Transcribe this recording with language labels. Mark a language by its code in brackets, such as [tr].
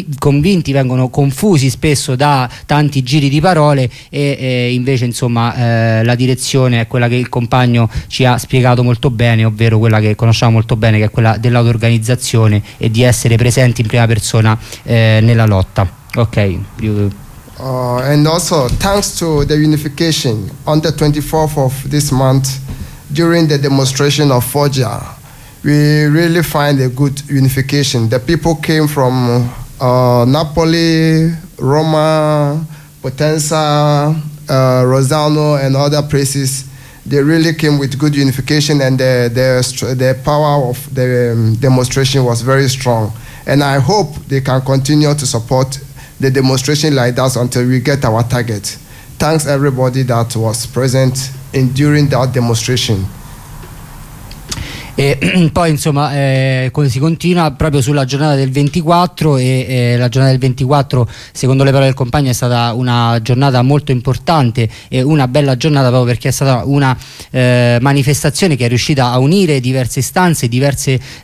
[it] convinti, vengono confusi spesso da tanti giri di parole e invece la direzione è quella che il compagno ci ha spiegato molto bene, ovvero quella che conosciamo molto bene, che è quella dell'auto-organizzazione e di essere presenti in prima persona nella lotta. [en] Ok. And also thanks to the unification on the 24th of this month during the demonstration of Foggia, we really find a good unification. The people came from Napoli, Roma, Potenza, Rosano and other places. They really came with good unification and the power of the demonstration was very strong. And I hope they can continue to support the demonstration like that until we get our target. Thanks everybody that was present in during that demonstration. [it] E poi insomma si continua proprio sulla giornata del 24 e la giornata del 24 secondo le parole del compagno è stata una giornata molto importante e una bella giornata proprio perché è stata una manifestazione che è riuscita a unire diverse istanze, diverse